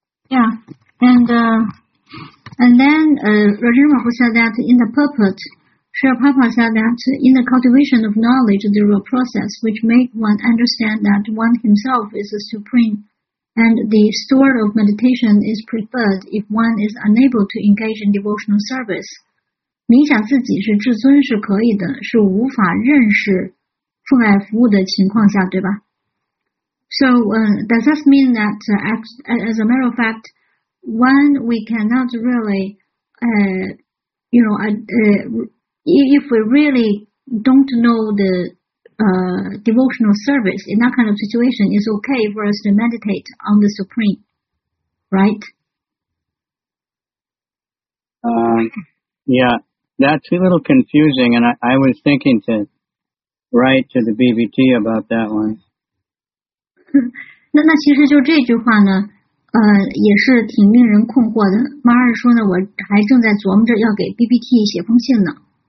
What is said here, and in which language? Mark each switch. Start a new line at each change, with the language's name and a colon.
English: Yeah, and then Rajan Mahu said that in the purport, Srila Prabhupada said that in the cultivation of knowledge, there is a process which makes one understand that one himself is the supreme, and the store of meditation is preferred if one is unable to engage in devotional service.
Chinese: 冥想自己是至尊是可以的，是无法认识父爱服务的情况下，对吧？
English: So does this mean that, as a matter of fact, when we cannot really, if we really don't know the devotional service, in that kind of situation, it's okay for us to meditate on the Supreme, right? Yeah, that's a little confusing, and I was thinking to write to the BBT about that one.
Chinese: 那其实就这句话呢，也是挺令人困惑的。马二说呢，我还正在琢磨着要给 BBT 写封信呢。